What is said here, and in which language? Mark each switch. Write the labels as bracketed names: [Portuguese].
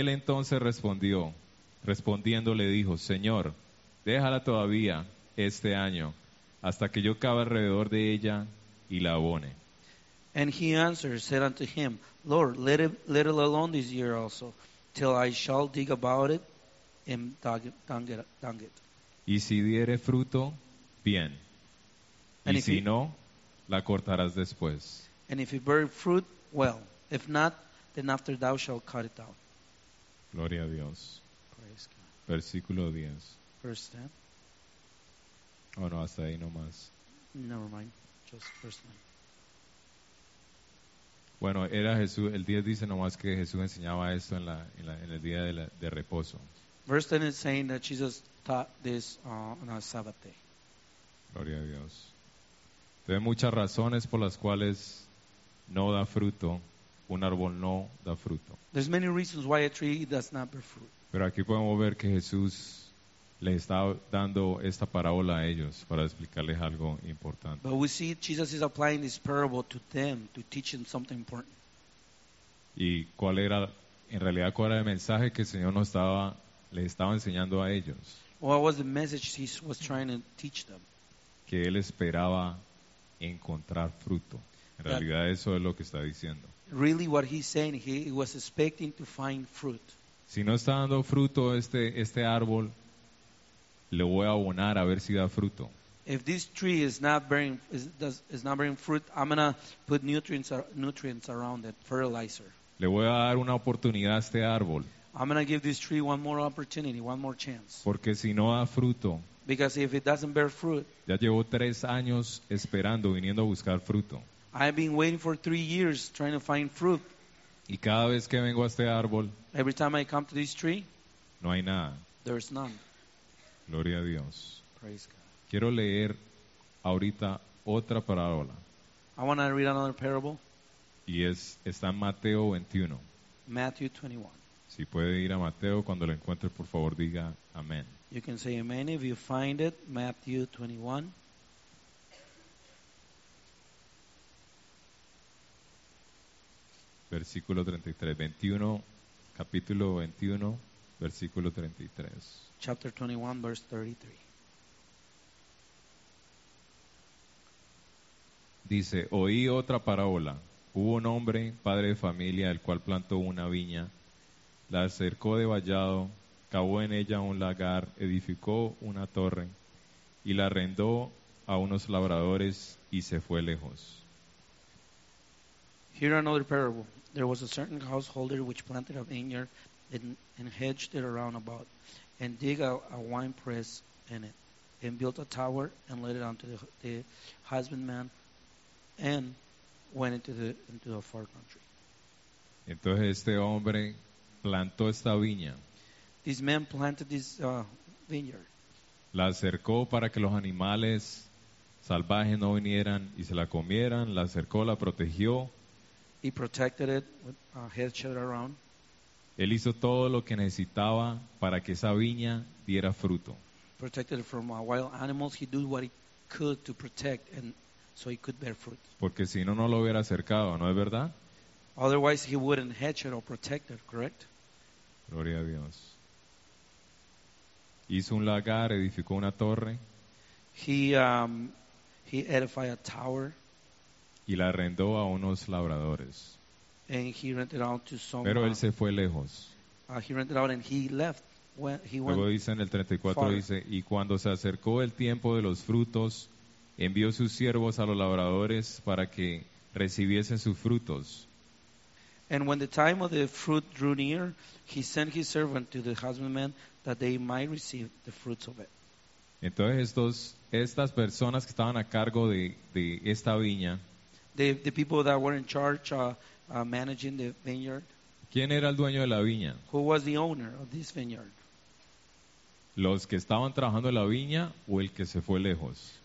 [Spanish] Él entonces respondiendo le dijo, Señor, déjala todavía este año hasta que yo cabe alrededor de ella y la abone. [English] And he answered, said unto him, Lord, let it alone this year also, till I shall dig about it and dung it. [Spanish] Y si diere fruto, bien. And y si no, la cortarás después. [English] And if it bear fruit, well. If not, then after thou shalt cut it down. [Spanish] Gloria a Dios. [English] Praise God. [Spanish] Versículo 10. [English] Verse 10. [Spanish] Oh no, hasta ahí nomás. [English] Never mind. Just verse 9. [Spanish] Bueno, era Jesús. El 10 dice nomás que Jesús enseñaba esto en el día de reposo. [English] Verse 10 is saying that Jesus taught this on a Sabbath day. [Spanish] Gloria a Dios. Hay muchas razones por las cuales no da fruto. Un árbol no da fruto. [English] There's many reasons why a tree does not bear fruit. [Spanish] Pero aquí podemos ver que Jesús les está dando esta parábola a ellos para explicarles algo importante. [English] But we see Jesus is applying this parable to them to teach them something important. [Spanish] Y cuál era el mensaje que el Señor les estaba enseñando a ellos. [English] What was the message he was trying to teach them? [Spanish] Que él esperaba encontrar fruto. En realidad eso es lo que está diciendo. [English] Really what he's saying, he was expecting to find fruit. [Spanish] Si no está dando fruto este árbol, le voy a abonar a ver si da fruto. [English] If this tree is not bearing fruit, I'm going to put nutrients around it, fertilizer. [Spanish] Le voy a dar una oportunidad a este árbol. [English] I'm going to give this tree one more opportunity, one more chance. [Spanish] Porque si no da fruto, [English] because if it doesn't bear fruit, [Spanish] ya llevo 3 años esperando, viniendo a buscar fruto. [English] I've been waiting for 3 years trying to find fruit. [Spanish] Y cada vez que vengo a este árbol, [English] every time I come to this tree, [Spanish] no hay nada. [English] There's none. [Spanish] Gloria a Dios. [English] Praise God. [Spanish] Quiero leer ahorita otra parábola. [English] I want to read another parable. [Spanish] Y está en Mateo 21. [English] Matthew 21. [Spanish] Si puede ir a Mateo, cuando lo encuentre, por favor, diga amén. [English] You can say amen if you find it. Matthew 21. [Spanish] Versículo 33. 21, capítulo 21, versículo 33. [English] Chapter 21, verse 33. [Spanish] Dice, oí otra parábola. Hubo un hombre, padre de familia, el cual plantó una viña la cercó de vallado, cavó en ella un lagar, edificó una torre y la arrendó a unos labradores y se fue lejos. [English] Here another parable. There was a certain householder which planted a vineyard and hedged it around about and dig a wine press in it and built a tower and let it unto the husbandman and went into a far country. [Spanish] Entonces este hombre plantó esta viña. [English] This man planted this vineyard. [Spanish] La acercó para que los animales salvajes no vinieran y se la comieran. La acercó, la protegió. [English] He protected it with a hedge around. [Spanish] Él hizo todo lo que necesitaba para que esa viña diera fruto. [English] Protected it from wild animals. He did what he could to protect and so he could bear fruit. [Spanish] Porque si no, no lo hubiera acercado, ¿no es verdad? [English] Otherwise he wouldn't hedge it or protect it, correct? [Spanish] Gloria a Dios. Hizo un lagar, edificó una torre. [English] He edified a tower. [Spanish] Y la arrendó a unos labradores. [English] And he rented out to some. [Spanish] Pero él se fue lejos. [English] He rented out and he left. [Spanish] Luego dice en el 34, dice, y cuando se acercó el tiempo de los frutos, envió sus siervos a los labradores para que recibiesen sus frutos. [English] And when the time of the fruit drew near, he sent his servant to the husbandmen that they might receive the fruits of it. [Spanish] Entonces estas personas que estaban a cargo de esta viña, [English] the people that were in charge managing the vineyard. [Spanish] ¿Quién era el dueño de la viña? [English] Who was the owner of this vineyard? [Spanish] ¿Los que estaban trabajando en la viña o el que se fue lejos?